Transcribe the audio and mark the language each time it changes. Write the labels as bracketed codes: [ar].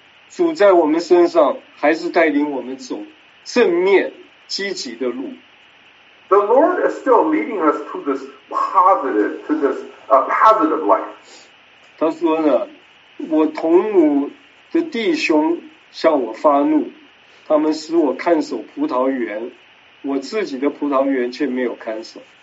[zh] 主在我们身上还是带领我们走正面积极的路。 [en] The Lord is still leading us to this positive, to this positive life. [zh] 他说呢，我同母的弟兄向我发怒，他们使我看守葡萄园，我自己的葡萄园却没有看守。